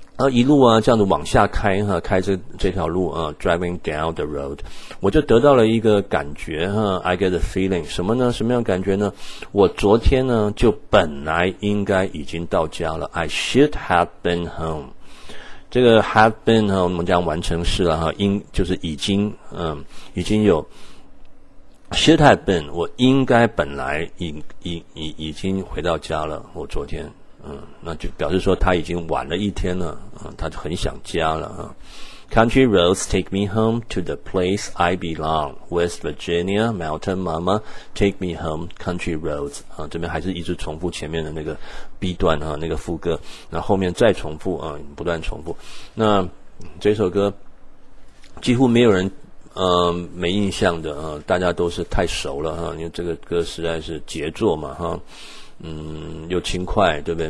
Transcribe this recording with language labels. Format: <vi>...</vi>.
<zh>一路啊这样子往下开，开着这条路，</zh> <en>driving down the road</en> <zh>我就得到了一个感觉，</zh> <en>I get a feeling</en> <zh>什么呢，什么样的感觉呢，我昨天呢就本来应该已经到家了，</zh> <en>I should have been home，</en> <zh>这个 have been ，我们讲完成式了，就是已经，已经有</zh> <en>should have been，</en> <zh>我应该本来 已经回到家了，我昨天那就表示说他已经晚了一天了，他就很想家了。</zh> <en>Country roads take me home to the place I belong. West Virginia, mountain mama, take me home, country roads.</en> <zh>这边还是一直重复前面的那个 B 段，那个副歌，那后面再重复，不断重复。那这首歌几乎没有人没印象的，大家都是太熟了，因为这个歌实在是杰作嘛，又轻快，对不对？</zh>